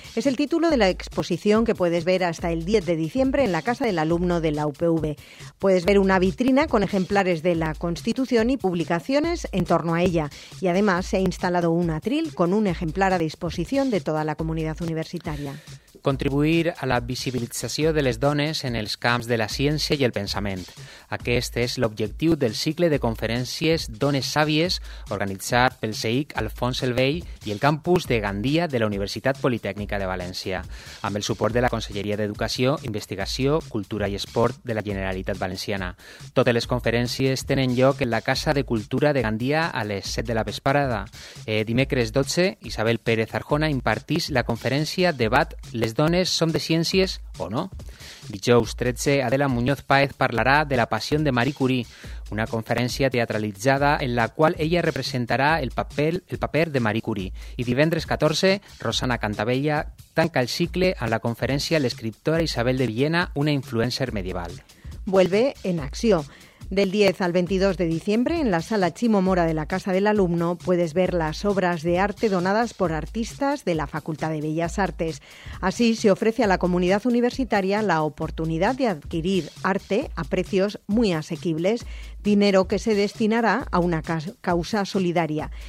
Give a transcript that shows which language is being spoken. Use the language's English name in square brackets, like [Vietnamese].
[Spanish] Es el título de la exposición que puedes ver hasta el 10 de diciembre en la Casa del Alumno de la UPV. Puedes ver una vitrina con ejemplares de la Constitución y publicaciones en torno a ella. Y además se ha instalado un atril con un ejemplar a disposición de toda la comunidad universitaria. [Catalan] Contribuir a la visibilització de les dones en els camps de la ciència i el pensament. Aquest és l'objectiu del cicle de conferències Dones Sàvies, organitzat pel CEIC Alfons el Vell i el campus de Gandia de la Universitat Politècnica de València, amb el suport de la Conselleria d'Educació, Investigació, Cultura i Esport de la Generalitat Valenciana. Totes les conferències tenen lloc en la Casa de Cultura de Gandia a les 7 de la vesprada. Dimecres 12, Isabel Pérez Arjona impartís la conferència Debat Les dones són de ciències o no? Dijous 13, Adela Muñoz Páez parlarà de la passió de Marie Curie, una conferència teatralitzada en la qual ella representarà el paper de Marie Curie. I divendres 14, Rosana Cantabella tanca el cicle a la conferència l'escriptora Isabel de Villena, una influencer medieval. [Spanish] Vuelve en acció. Del 10 al 22 de diciembre, en la Sala Chimo Mora de la Casa del Alumno, puedes ver las obras de arte donadas por artistas de la Facultad de Bellas Artes. Así, se ofrece a la comunidad universitaria la oportunidad de adquirir arte a precios muy asequibles, dinero que se destinará a una causa solidaria.